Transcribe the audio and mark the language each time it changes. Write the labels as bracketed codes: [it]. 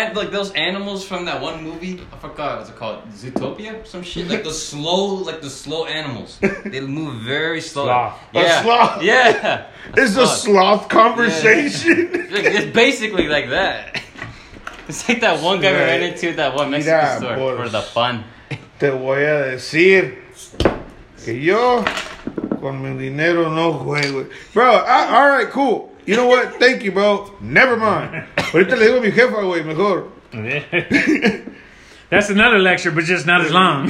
[en] Those animals from that one movie? I forgot, what's it called? Zootopia? Some shit? Like the slow animals. They move very slow. Sloth. Yeah. A sloth? Yeah. It's a sloth conversation. Yeah. It's basically like that. It's like that one guy we ran into at that one Mexican store for the fun. [es] Te voy a decir que yo con mi dinero no juego. [en] Bro, alright, cool. You know what? Thank you, bro. Never mind. [es] Ahorita le digo a mi jefa, güey, mejor. [en] That's another lecture, but just not as long.